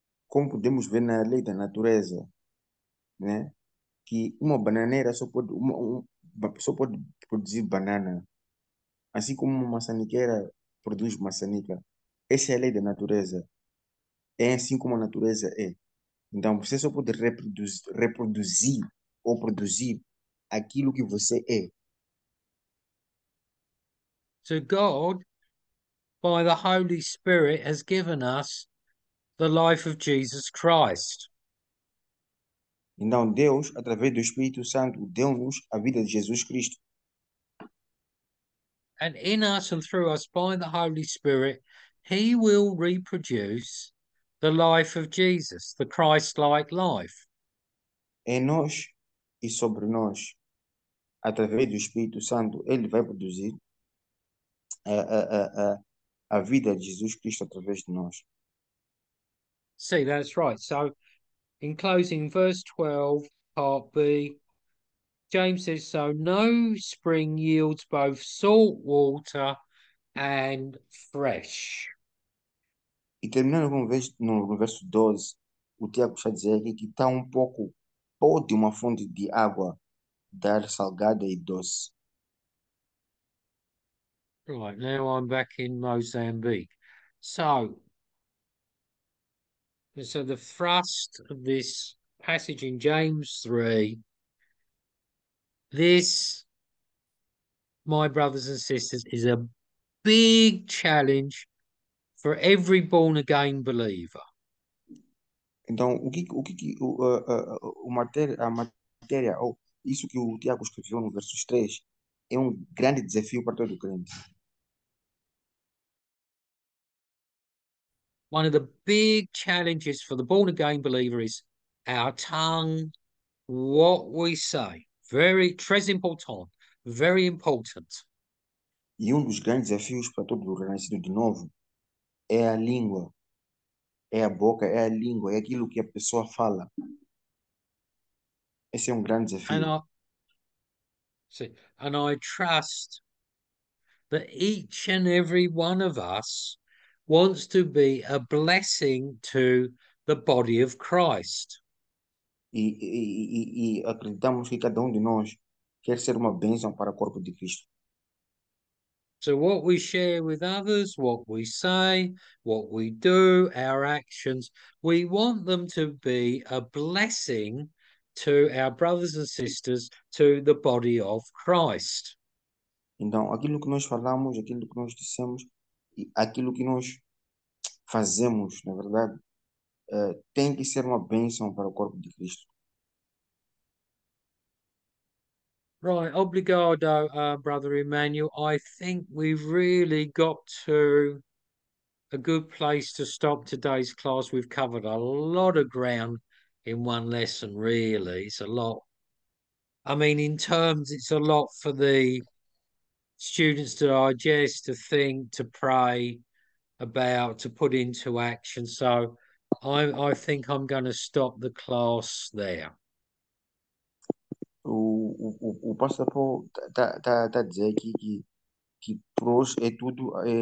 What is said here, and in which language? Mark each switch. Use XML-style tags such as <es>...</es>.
<pt>Como podemos ver na lei da natureza, né, que uma bananeira só pode produzir banana, assim como uma maçaniqueira produz maçanica. Essa é a lei da natureza. É assim como a natureza é. Então, você só pode reproduzir ou produzir aquilo que você é.</pt> <en>So God, by the Holy Spirit, has given us the life of Jesus Christ.</en> <pt>Então, Deus, através do Espírito Santo, deu-nos a vida de Jesus Cristo.</pt> <en>And in us and through us, by the Holy Spirit, He will reproduce the life of Jesus, the Christ-like life.</en> <pt>Em nós e sobre nós, através do Espírito Santo, Ele vai produzir a vida de Jesus Cristo através de nós.</pt> <en>See, that's right. So, in closing, verse 12, part B, James says, so no spring yields both salt water and fresh.</en> <pt>E terminando no verso 12, o Tiago está a dizer aqui que está um pouco pode uma fonte de água dar salgada e doce.</pt> <en>Right, now I'm back in Mozambique. So the thrust of this passage in James 3, this, my brothers and sisters, is a big challenge for every born again believer.</en> <pt>Então, a matéria, ou isso que o Tiago escreveu no verso 3, é um grande desafio para todo o crente.</pt> <en>One of the big challenges for the born-again believer is our tongue, what we say. Very, très important, very important.</en> <pt>E um dos grandes desafios para todo o renascido de novo é a língua. É a boca, é a língua, é aquilo que a pessoa fala. Esse é um grande desafio.</pt> <en>And I trust that each and every one of us wants to be a blessing to the body of Christ.</en> <pt>E acreditamos que cada um de nós quer ser uma bênção para o corpo de Cristo.</pt> <en>So, what we share with others, what we say, what we do, our actions, we want them to be a blessing to our brothers and sisters, to the body of Christ.</en> <pt>Então, aquilo que nós falamos, aquilo que nós dissemos e aquilo que nós fazemos, na verdade, tem que ser uma bênção para o corpo de Cristo.</pt> <en>Right, obrigado, brother Emmanuel. I think we've really got to a good place to stop today's class. We've covered a lot of ground in one lesson, really. It's a lot. I mean, in terms, it's a lot for the students to digest, to think, to pray about, to put into action. So I think I'm going to stop the class there.</en> <pt>O pastor Paulo tá a dizer que por hoje é tudo.</pt>